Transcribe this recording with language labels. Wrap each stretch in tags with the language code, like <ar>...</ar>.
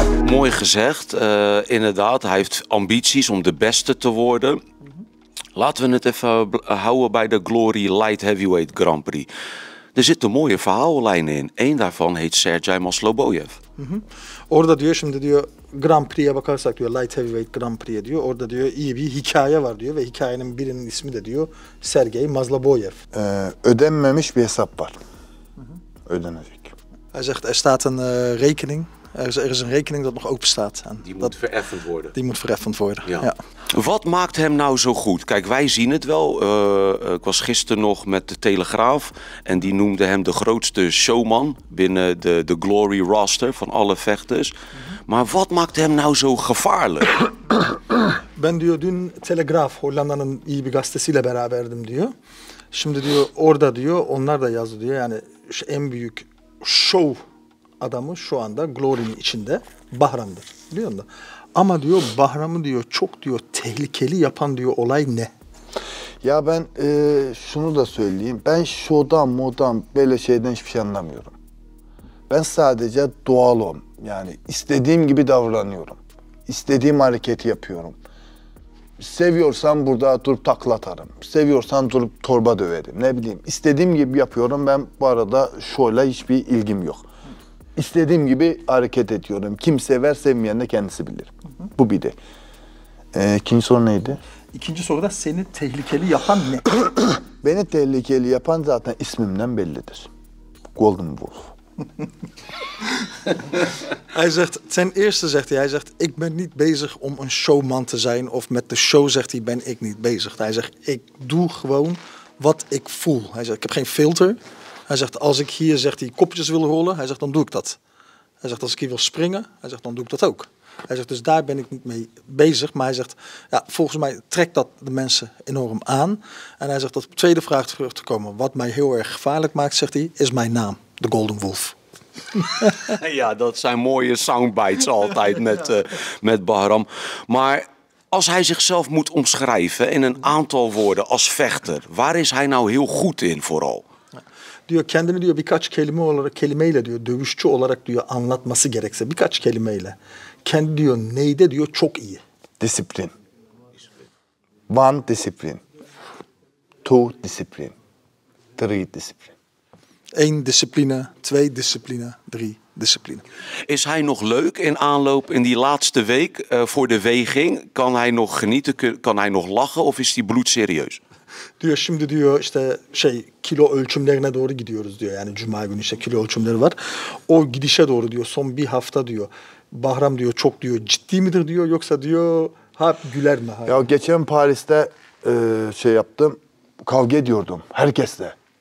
<nl>Mooi gezegd, inderdaad, hij heeft ambities om de beste te worden. Laten we het even houden bij de Glory Light Heavyweight Grand Prix. Er zitten mooie verhaallijnen in. Eén daarvan heet Sergey Maslobojev.</nl> <tr>Orada diyor, şimdi diyor, Grand Prix'e bakarsak diyor, Light Heavyweight Grand Prix'e diyor. Orada diyor, iyi bir hikaye var diyor ve hikayenin birinin ismi de diyor, Sergey Maslobojev. Ödenmemiş bir hesap var. Ödenecek.</tr> <nl>Hij zegt, er staat een rekening. Er is een rekening dat nog open staat. En die moet vereffend worden. Die moet vereffend worden, ja. Ja. Wat maakt hem nou zo goed? Kijk, wij zien het wel. Ik was gisteren nog met de Telegraaf. En die noemde hem de grootste showman binnen de Glory roster van alle vechters. Maar wat maakt hem nou zo gevaarlijk?</nl> <tr>Ben diyor, dün Telegraaf, Hollanda'nın iyi bir gazetesiyle beraberdim diyor. Şimdi diyor, orada diyor, onlar da yazdı diyor. Yani en büyük show adamı şu anda Glory'nin içinde Bahram'dır. Biliyor musun? Ama diyor Bahram'ı diyor çok diyor tehlikeli yapan diyor olay ne? Ya ben şunu da söyleyeyim. Ben şodan modan böyle şeyden hiçbir şey anlamıyorum. Ben sadece doğalım. Yani istediğim gibi davranıyorum. İstediğim hareketi yapıyorum. Seviyorsan burada durup takla atarım. Seviyorsan durup torba döverim. Ne bileyim. İstediğim gibi yapıyorum. Ben bu arada şöyle hiçbir ilgim yok. İstediğim gibi hareket ediyorum. Kim sever sevmeyen de kendisi bilir. Bu bir de. İkinci soru neydi? İkinci soruda seni tehlikeli yapan ne? Beni tehlikeli yapan zaten ismimden bellidir.</tr> <en>Golden Wolf.</en> <nl>Hij zegt, ten eerste zegt hij zegt, ik ben niet bezig om een showman te zijn. Of met de show zegt hij, ben ik niet bezig. Hij zegt, ik doe gewoon wat ik voel. Hij zegt, ik heb geen filter. Hij zegt, als ik hier zegt die kopjes wil rollen, hij zegt, dan doe ik dat. Hij zegt, als ik hier wil springen, hij zegt, dan doe ik dat ook. Hij zegt, dus daar ben ik niet mee bezig. Maar hij zegt, ja, volgens mij trekt dat de mensen enorm aan. En hij zegt, dat op tweede vraag terug te komen. Wat mij heel erg gevaarlijk maakt, zegt hij, is mijn naam, de Golden Wolf. Ja, dat zijn mooie soundbites altijd met Bahram. Maar als hij zichzelf moet omschrijven in een aantal woorden als vechter, waar is hij nou heel goed in vooral?</nl> <tr>Diyor kendini diyor birkaç kelime olarak kelimeyle diyor dövüşçü olarak diyor anlatması gerekse birkaç kelimeyle kendi diyor neyde diyor çok iyi. Disiplin.</tr> <en>One discipline. Two discipline. Three discipline.</en> <nl>Eén discipline, twee discipline, drie discipline. Is hij nog leuk in aanloop in die laatste week voor de weging? Kan hij nog genieten? Kan hij nog lachen of is hij bloedserieus?</nl> <tr>Diyor şimdi diyor işte şey kilo ölçümlerine doğru gidiyoruz diyor. Yani cuma günü işte kilo ölçümleri var. O gidişe doğru diyor son bir hafta diyor. Bahram diyor çok diyor ciddi midir diyor yoksa diyor hep güler mi? Ya geçen Paris'te şey yaptım, kavga ediyordum herkesle.</tr>